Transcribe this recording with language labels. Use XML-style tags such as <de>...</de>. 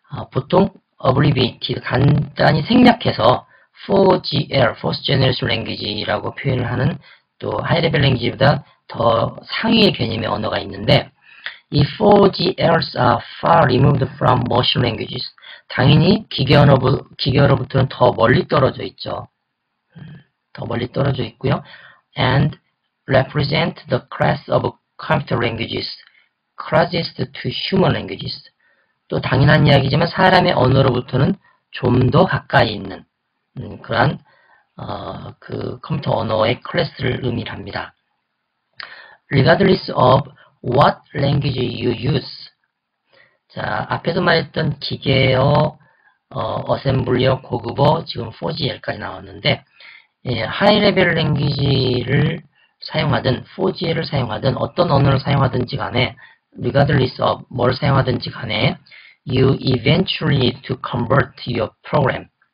<ko>보통 abbreviated, 간단히 생략해서 4GL, Fourth Generation Language라고 표현을 하는 또 High Level Language보다 더 상위의 개념의 언어가 있는데 이</ko> <en>4GLs are far removed from Machine Languages.</en> <ko>당연히 기계어로부터는 더 멀리 떨어져 있죠. 더 멀리 떨어져 있고요.</ko> <en>And represent the class of computer languages closest to human languages.</en> <ko>또 당연한 이야기지만 사람의 언어로부터는 좀더 가까이 있는 그러한 그 컴퓨터 언어의 클래스를 의미합니다.</ko> <en>Regardless of what language you use.</en> <ko>자, 앞에서 말했던 기계어, 어셈블리어, 고급어, 지금 4GL까지 나왔는데 하이 레벨 랭귀지를 사용하든, 4G를 사용하든, 어떤 언어를 사용하든지 간에, regardless of 뭘 사용하든지 간에,</ko> <en>you eventually need to convert your program.</en>